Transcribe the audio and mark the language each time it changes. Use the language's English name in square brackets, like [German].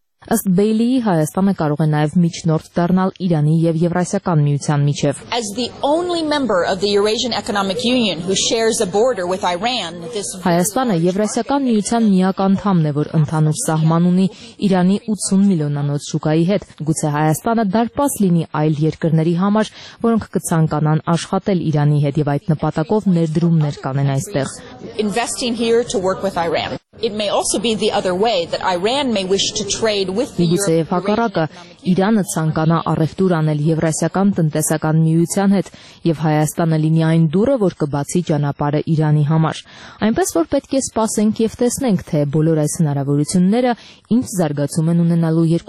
[Armenian] Ըստ Բեյլի, Հայաստանը կարող է նաև միջնորդ դառնալ Իրանի և Եվրասիական միության միջև։ Հայաստանը Եվրասիական միության միակ անդամն է, որ ընդհանուր սահման ունի Իրանի 80 միլիոնանոց շուկայի հետ։ Գուցե Հայաստանը դարպաս լինի այլ երկրների համար, որոնք կցանկանան աշխատել Իրանի հետ, և այդ նպատակով ներդրումներ կանեն այստեղ։ [English] It may also be the other way that Iran may wish to trade with the European Union. [Armenian] Հակառակը, Իրանը ցանկանա առևտուր անել Եվրասիական տնտեսական միության հետ, և Հայաստանը լինի այն դուրը, որ կբացի ճանապարհը Իրանի համար։ Այնպես որ պետք է սպասենք և տեսնենք, թե բոլոր այս հնարավորությունները ինչ զարգացում են ունենալու